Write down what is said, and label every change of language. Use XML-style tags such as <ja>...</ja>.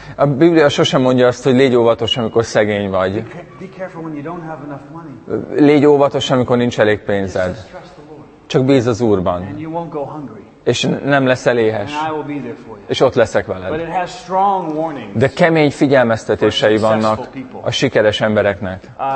<hu>A Biblia sosem mondja azt, hogy légy óvatos, amikor szegény vagy.</hu> <en>Be careful when you don't have enough money.</en> <hu>Légy óvatos, amikor nincs elég pénzed. Csak bízz az Úrban.</hu> <en>And you won't go hungry.</en> <hu>és nem leszel éhes. És ott leszek veled. De kemény figyelmeztetései vannak a sikeres embereknek.</hu>